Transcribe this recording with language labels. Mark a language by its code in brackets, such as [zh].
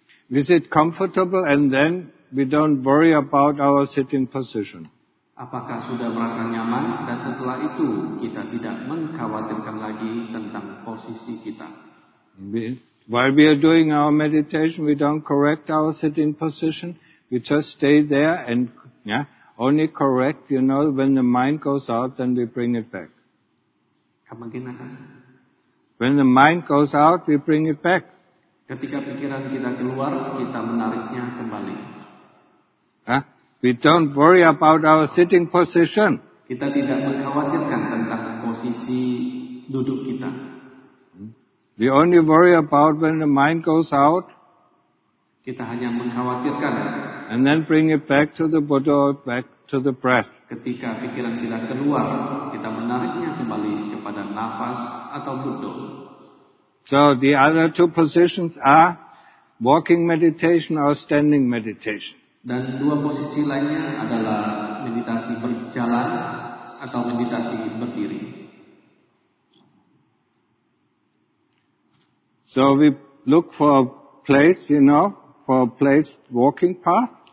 [en] We sit comfortable and then we don't worry about our sitting position. [id] Apakah sudah merasa nyaman dan setelah itu kita tidak mengkhawatirkan lagi tentang posisi kita. [en] While we are doing our meditation, we don't correct our sitting position. We just stay there and only correct, you know, when the mind goes out, then we bring it back. Come again, when the mind goes out, we bring it back. [id] Ketika pikiran kita keluar, kita menariknya kembali. [en] We don't worry about our sitting position. [id] Kita tidak mengkhawatirkan tentang posisi duduk kita. [en] We only worry about when the mind goes out. [id] Kita hanya mengkhawatirkan. [en] And then bring it back to the Buddha, back to the breath. [id] Ketika pikiran kita keluar, kita menariknya kembali kepada nafas atau Buddha. [en] So the other two positions are walking meditation or standing meditation. [id] Dan dua posisi lainnya adalah meditasi berjalan atau meditasi berdiri. [en] So we look for a place, you know, for a place walking path.